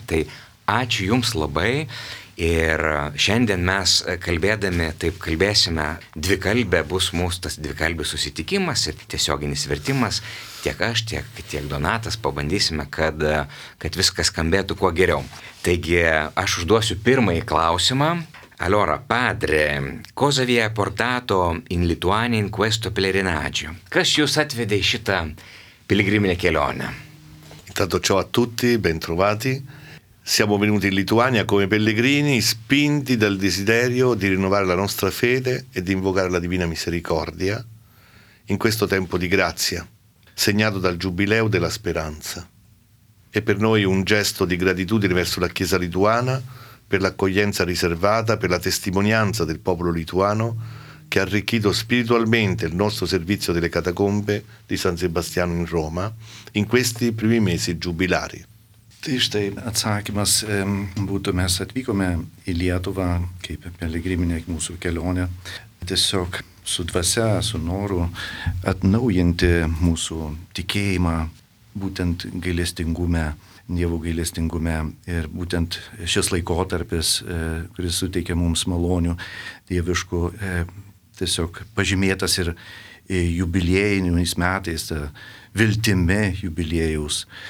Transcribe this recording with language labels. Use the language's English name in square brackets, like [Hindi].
[Lithuanian] Tai ačiū Jums labai. Ir šiandien mes kalbėdami, taip kalbėsime, dvikalbė bus mūsų tas dvikalbis susitikimas ir tiesioginis vertimas, tiek aš, tiek Donatas, pabandysime, kad viskas skambėtų kuo geriau. Taigi, aš užduosiu pirmąjį klausimą. [Italian] Allora, padre, cosa vi ha portato in Lituania in questo pellegrinaggio? [Lithuanian] Kas jūs atvedė į šitą piligriminę kelionę? [Italian] Intanto ciao a tutti, bentrovati. Siamo venuti in Lituania come pellegrini, spinti dal desiderio di rinnovare la nostra fede e di invocare la Divina Misericordia in questo tempo di grazia, segnato dal giubileo della speranza. È per noi un gesto di gratitudine verso la Chiesa lituana per l'accoglienza riservata, per la testimonianza del popolo lituano che ha arricchito spiritualmente il nostro servizio delle catacombe di San Sebastiano in Roma in questi primi mesi giubilari. [Lithuanian] Tai štai atsakymas, būtų mes atvykome į Lietuvą kaip piligriminė mūsų kelionė, tiesiog su dvasia, su noru atnaujinti mūsų tikėjimą, būtent gailestingume, Dievo gailestingume ir būtent šis laikotarpis, kuris suteikia mums malonių dieviškų, tiesiog pažymėtas ir jubiliejiniais metais, ta viltimi jubiliejaus.